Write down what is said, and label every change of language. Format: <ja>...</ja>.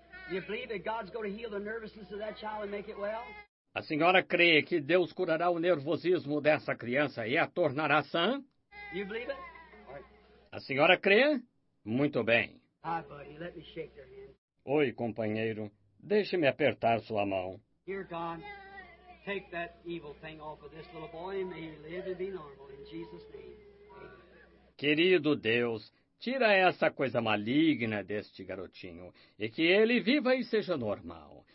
<en>You believe that God's going to heal the nervousness of that child and make it well?</en> <pt>A senhora crê que Deus curará o nervosismo dessa criança e a tornará sã?</pt> <en>You believe it?</en> <pt>A senhora crê? Muito bem.</pt> <en>Hi, buddy. Let me shake your hand.</en> <pt>Oi, companheiro. Deixe-me apertar sua mão.</pt> <en>Dear God, take that evil thing off of this little boy and may he live and be normal in Jesus' name.</en> <pt>Querido Deus, tira essa coisa maligna deste garotinho e que ele viva e seja normal.</pt>